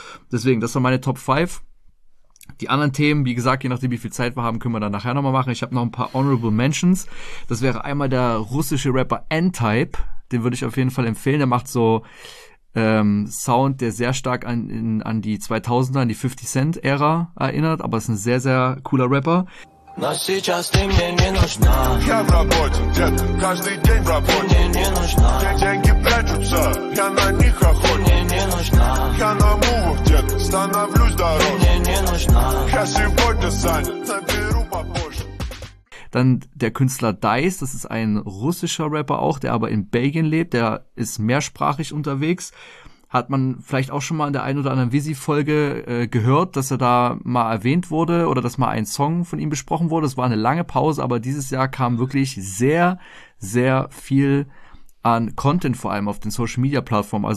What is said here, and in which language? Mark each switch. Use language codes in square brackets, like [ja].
[de] Deswegen, das war meine Top 5. Die anderen Themen, wie gesagt, je nachdem, wie viel Zeit wir haben, können wir dann nachher nochmal machen. Ich habe noch ein paar Honorable Mentions. Das wäre einmal der russische Rapper N-Type. Den würde ich auf jeden Fall empfehlen. Der macht so Sound, der sehr stark an die 2000er, an die 50 Cent-Ära erinnert. Aber ist ein sehr, sehr cooler Rapper. [ru] Я в работе, дед, каждый день в работе. Мне не нужна. Где деньги прячутся, я на них охотник. Мне не нужна. Я на мувах, дед, становлюсь дороже. Мне не нужна. Я сегодня занят, наберу попозже. [de] Dann der Künstler Dice, das ist ein russischer Rapper auch, der aber in Belgien lebt, der ist mehrsprachig unterwegs. Hat man vielleicht auch schon mal in der einen oder anderen Visi-Folge gehört, dass er da mal erwähnt wurde oder dass mal ein Song von ihm besprochen wurde. Es war eine lange Pause, aber dieses Jahr kam wirklich sehr, sehr viel an Content, vor allem auf den Social-Media-Plattformen.